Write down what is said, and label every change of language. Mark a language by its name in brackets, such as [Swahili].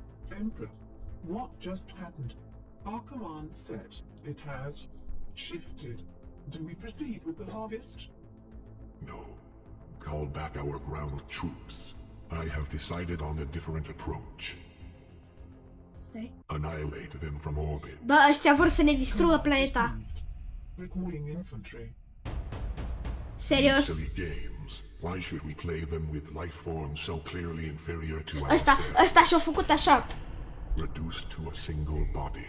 [English] Emperor, what just happened? Our command said it has shifted. Do we proceed with the harvest? No. Call back our ground troops. I have decided on a different approach. Stay. Annihilate them from orbit. [Romanian] Bă, ăștia vor să ne distrugă planeta. [English] Recalling infantry. [Romanian] Serios? [English] Silly games. Why should we play them with life forms so clearly inferior to ourselves? [Romanian] Ăsta și-a făcut așa. [English] Reduced to a single body.